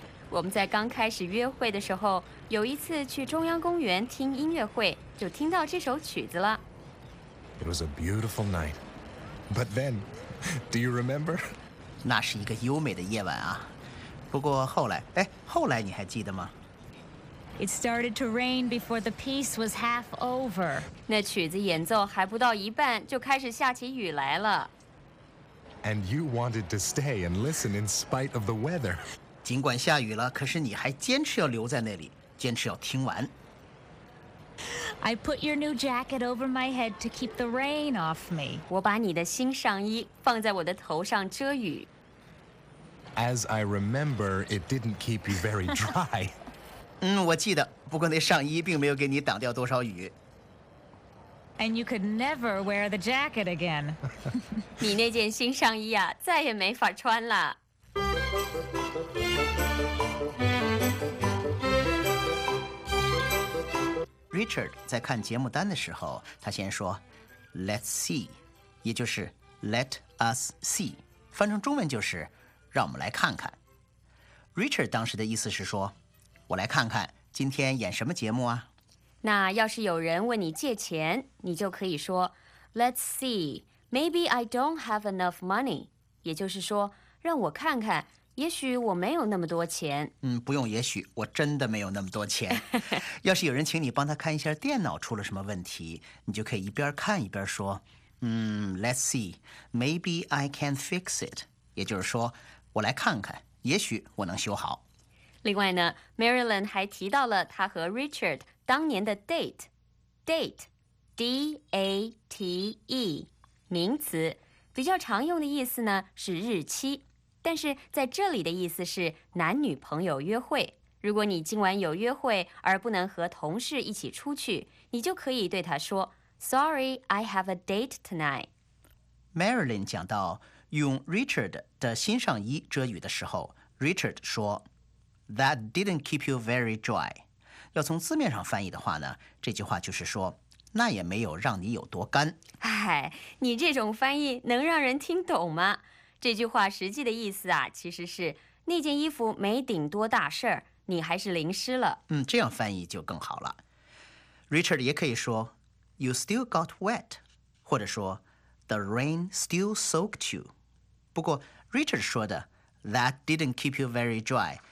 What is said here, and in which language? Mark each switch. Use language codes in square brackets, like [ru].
[zh] 我们在刚开始约会的时候，有一次去中央公园听音乐会，就听到这首曲子了。 [en] It was a beautiful night, but then, do you remember? [zh] 那是一个优美的夜晚啊。不过后来，哎，后来你还记得吗？ [en] It started to rain before the piece was half over. [zh] 那曲子演奏还不到一半就开始下起雨来了。 [en] And you wanted to stay and listen in spite of the weather. [zh] 尽管下雨了，可是你还坚持要留在那里，坚持要听完。 [en] I put your new jacket over my head to keep the rain off me. [zh] 我把你的新上衣放在我的头上遮雨。 [en] As I remember, it didn't keep you very dry. [zh] 嗯，我记得，不过那上衣并没有给你挡掉多少雨。 [en] And you could never wear the jacket again. [zh] 你那件新上衣啊，再也没法穿了。 Richard 在看节目单的时候，他先说 [en] "Let's see"， [zh] 也就是 [en] "Let us see"， [zh] 翻成中文就是"让我们来看看"。 Richard 当时的意思是说。我来看看今天演什么节目啊？那要是有人问你借钱，你就可以说 [en] Let's see, maybe I don't have enough money. [zh] 也就是说，让我看看，也许我没有那么多钱。嗯，不用也许，我真的没有那么多钱。要是有人请你帮他看一下电脑出了什么问题，你就可以一边看一边说， [en] Let's see, maybe I can fix it. [zh] 也就是说，我来看看，也许我能修好。另外呢 ，Marilyn 还提到了她和 Richard 当年的 date，date，D-A-T-E， 名词，比较常用的意思呢是日期，但是在这里的意思是男女朋友约会。如果你今晚有约会而不能和同事一起出去，你就可以对他说 ， [en] Sorry, I have a date tonight。 [zh] Marilyn 讲到用 Richard 的新上衣遮雨的时候 ，Richard 说。 [en] That didn't keep you very dry. [zh] 要从字面上翻译的话呢，这句话就是说，那也没有让你有多干。哎，你这种翻译能让人听懂吗？这句话实际的意思啊，其实是那件衣服没顶多大事儿，你还是淋湿了。嗯，这样翻译就更好了。 [en] Richard [zh] 也可以说 [en] ，You still got wet， [zh] 或者说 [en] ，The rain still soaked you。 [zh] 不过 [en] Richard [zh] 说的 [en] That didn't keep you very dry。